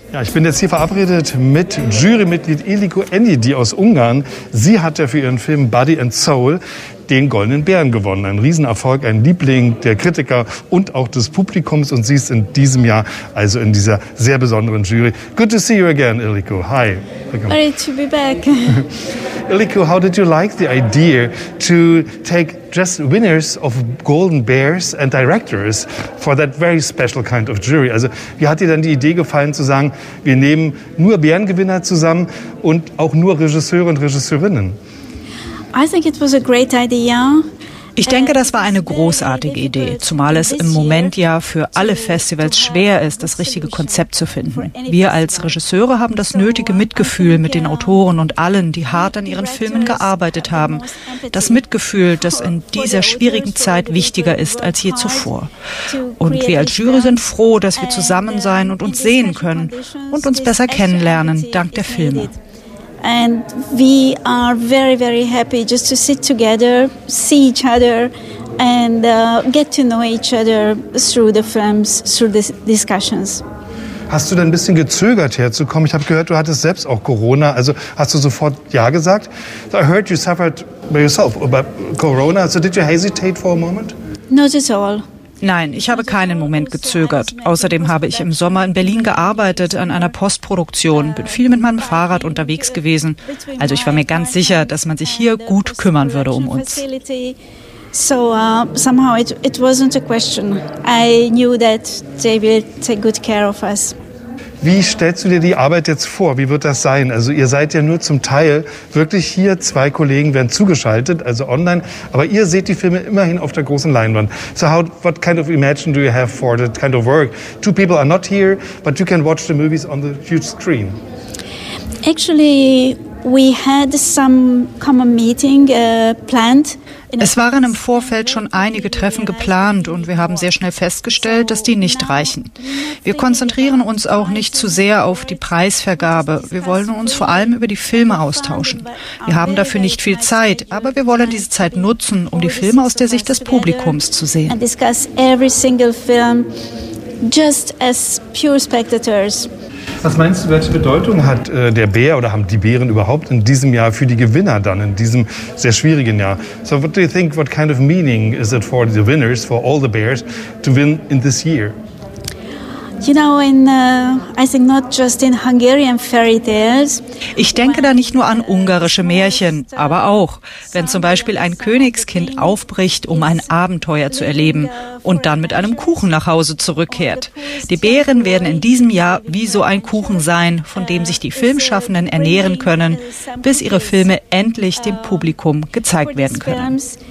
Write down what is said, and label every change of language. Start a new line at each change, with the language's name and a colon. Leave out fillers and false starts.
German: Ja, ich bin jetzt hier verabredet mit Jurymitglied Iliko Enni, die aus Ungarn. Sie hat ja für ihren Film Body and Soul den Goldenen Bären gewonnen. Ein Riesenerfolg, ein Liebling der Kritiker und auch des Publikums. Und sie ist in diesem Jahr also in dieser sehr besonderen Jury.
English: Good to see you again, Iliko. Hi. Glad to be back. Iliko, how did you like the idea to take just winners of Golden Bears and directors for that very special kind of jury?
German: Also, wie hat dir denn die Idee gefallen zu sagen, wir nehmen nur Bärengewinner zusammen und auch nur Regisseure und Regisseurinnen?
English: I think it was a great idea.
German: Ich denke, das war eine großartige Idee, zumal es im Moment ja für alle Festivals schwer ist, das richtige Konzept zu finden. Wir als Regisseure haben das nötige Mitgefühl mit den Autoren und allen, die hart an ihren Filmen gearbeitet haben. Das Mitgefühl, das in dieser schwierigen Zeit wichtiger ist als je zuvor. Und wir als Jury sind froh, dass wir zusammen sein und uns sehen können und uns besser kennenlernen, dank der Filme.
English: And we are very, very happy just to sit together, see each other and get to know each other through the films, through the discussions.
German: Hast du denn ein bisschen gezögert herzukommen? Ich habe gehört, du hattest selbst auch Corona. Also hast du sofort Ja gesagt?
English: I heard you suffered by yourself about Corona. So did you hesitate for a moment? Not at all.
German: Nein, ich habe keinen Moment gezögert. Außerdem habe ich im Sommer in Berlin gearbeitet an einer Postproduktion, bin viel mit meinem Fahrrad unterwegs gewesen. Also ich war mir ganz sicher, dass man sich hier gut kümmern würde um uns.
English: So somehow it wasn't a question. I knew that they will take good care of us.
German: Wie stellst du dir die Arbeit jetzt vor? Wie wird das sein? Also ihr seid ja nur zum Teil wirklich hier. Zwei Kollegen werden zugeschaltet, also online. Aber ihr seht die Filme immerhin auf der großen Leinwand.
English: So how, what kind of imagine do you have for that kind of work? Two people are not here, but you can watch the movies on the huge screen. Actually, we had some common meeting planned.
German: Es waren im Vorfeld schon einige Treffen geplant und wir haben sehr schnell festgestellt, dass die nicht reichen. Wir konzentrieren uns auch nicht zu sehr auf die Preisvergabe. Wir wollen uns vor allem über die Filme austauschen. Wir haben dafür nicht viel Zeit, aber wir wollen diese Zeit nutzen, um die Filme aus der Sicht des Publikums zu sehen.
English: And discuss every single film just as pure spectators.
German: Was meinst du, welche Bedeutung hat der Bär oder haben die Bären überhaupt in diesem Jahr für die Gewinner dann, in diesem sehr schwierigen Jahr?
English: So what do you think, what kind of meaning is it for the winners, for all the bears, to win in this year? You know, I think not just in Hungarian fairy tales.
German: Ich denke da nicht nur an ungarische Märchen, aber auch, wenn zum Beispiel ein Königskind aufbricht, um ein Abenteuer zu erleben und dann mit einem Kuchen nach Hause zurückkehrt. Die Bären werden in diesem Jahr wie so ein Kuchen sein, von dem sich die Filmschaffenden ernähren können, bis ihre Filme endlich dem Publikum gezeigt werden können.